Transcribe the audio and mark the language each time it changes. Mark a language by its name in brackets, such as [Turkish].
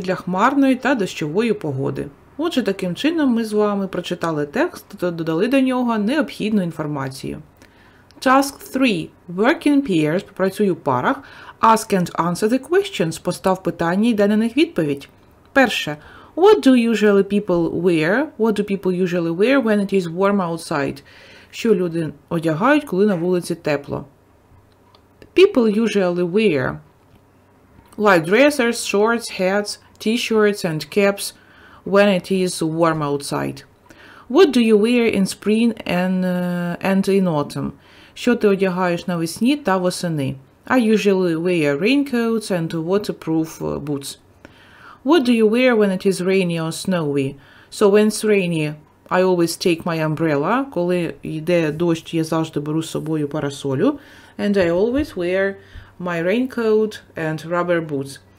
[Ukrainian] Для хмарної та дощової погоди. Отже, таким чином ми з вами прочитали текст та додали до нього необхідну інформацію. [English] Task 3. Work in pairs. [Ukrainian] Попрацюй у парах. [English] Ask and answer the questions. [Ukrainian] Постав питання і дай на них відповідь. [English] Перше. What do usually people wear? What do people usually wear when it is warm outside? [Ukrainian] Що люди одягають, коли на вулиці тепло? [English] People usually wear light dressers, shorts, hats, t-shirts and caps when it is warm outside. What do you wear in spring and in autumn? [Ukrainian] Що ти одягаєш навесні та восени? [English] I usually wear raincoats and waterproof boots. What do you wear when it is rainy or snowy? So when it's rainy, I always take my umbrella. [Ukrainian] Коли йде дощ, я завжди беру з собою парасолю. [English] And I always wear my raincoat and rubber boots.